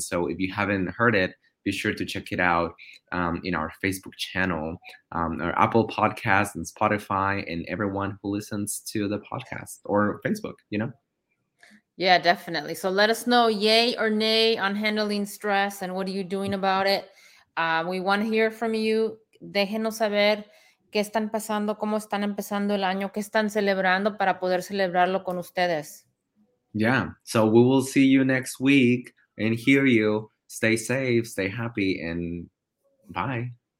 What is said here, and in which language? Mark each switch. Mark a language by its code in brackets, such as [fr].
[en] So if you haven't heard it, be sure to check it out in our Facebook channel, our Apple Podcast and Spotify, and everyone who listens to the podcast or Facebook, you know? Yeah, definitely. So let us know yay or nay on handling stress and what are you doing about it. We want to hear from you. [es] Déjenos saber qué están pasando, cómo están empezando el año, qué están celebrando para poder celebrarlo con ustedes. [en] Yeah, so we will see you next week and hear you. Stay safe, stay happy, and bye.